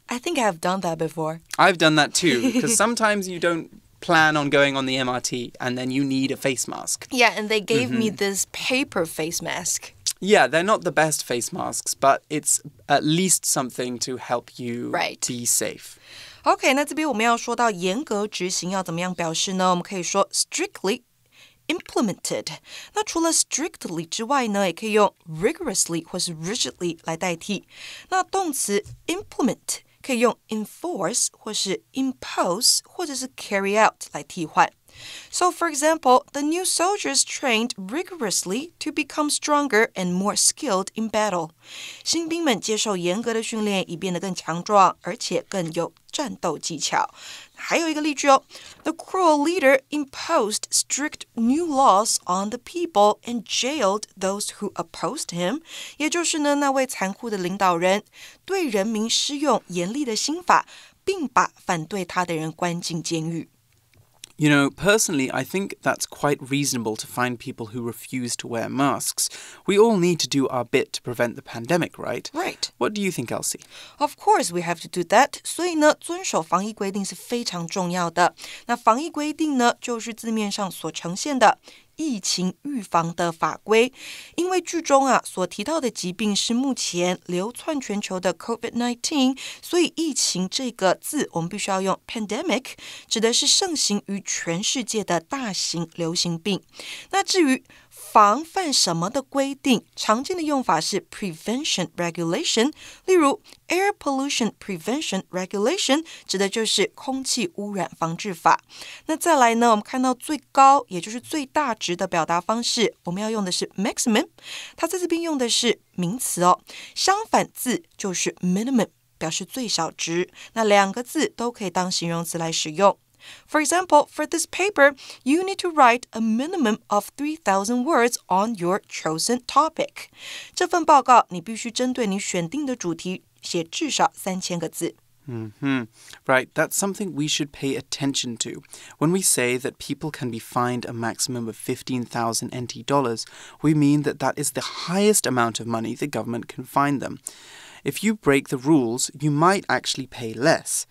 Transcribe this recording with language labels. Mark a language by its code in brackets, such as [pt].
[en] I think I've done that before. I've done that too, because sometimes you don't plan on going on the MRT and then you need a face mask. Yeah, and they gave me this paper face mask. Yeah, they're not the best face masks, but it's at least something to help you be safe. [zh] OK, 那这边我们要说到严格执行要怎么样表示呢？我们可以说 [en] strictly,implemented. [zh] 那除了 strictly 之外呢，也可以用 rigorously 或是 rigidly 来代替。那动词 implement 可以用 enforce 或是 impose 或者是 carry out 来替换。 [en] So, for example, the new soldiers trained rigorously to become stronger and more skilled in battle. [zh] 新兵们接受严格的训练以变得更强壮而且更有战斗技巧。还有一个例句哦 [en] The cruel leader imposed strict new laws on the people and jailed those who opposed him. [zh] 也就是呢，那位残酷的领导人对人民施用严厉的刑法并把反对他的人关进监狱。 [en] You know, personally, I think that's quite reasonable to fine people who refuse to wear masks. We all need to do our bit to prevent the pandemic, right? Right. What do you think, Elsie? Of course, we have to do that. [zh] 所以呢，遵守防疫规定是非常重要的。那防疫规定呢，就是字面上所呈现的，疫情预防的法规，因为剧中啊所提到的疾病是目前流窜全球的 COVID-19， 所以疫情这个字我们必须要用 pandemic， 指的是盛行于全世界的大型流行病。那至于防范什么的规定，常见的用法是 [en] prevention regulation， [zh] 例如 [en] air pollution prevention regulation [zh] 指的就是空气污染防治法。那再来呢，我们看到最高也就是最大值的表达方式，我们要用的是 maximum， 它在这边用的是名词哦，相反字就是 minimum， 表示最小值，那两个字都可以当形容词来使用。 [en] For example, for this paper, you need to write a minimum of 3,000 words on your chosen topic. [zh] 这份报告你必须针对你选定的主题写至少3000个字。 Mm-hmm. [en] Right, that's something we should pay attention to. When we say that people can be fined a maximum of NT$15,000, we mean that that is the highest amount of money the government can fine them. If you break the rules, you might actually pay less.